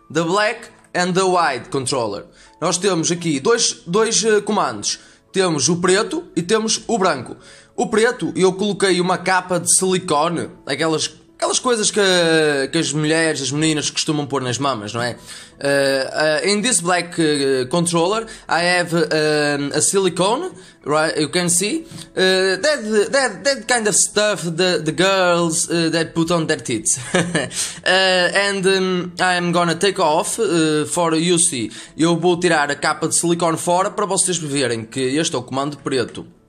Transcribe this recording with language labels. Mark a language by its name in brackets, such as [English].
[English] The black and the white controller. [Portuguese] Nós temos aqui dois comandos. Temos o preto e temos o branco. O preto, eu coloquei uma capa de silicone. Aquelas coisas que as mulheres, as meninas costumam pôr nas mamas, não é? [English] In this black controller, I have a silicone, right? You can see. That kind of stuff the girls that put on their tits. I'm gonna take off for you see. [Portuguese] Eu vou tirar a capa de silicone fora para vocês verem que este é o comando preto.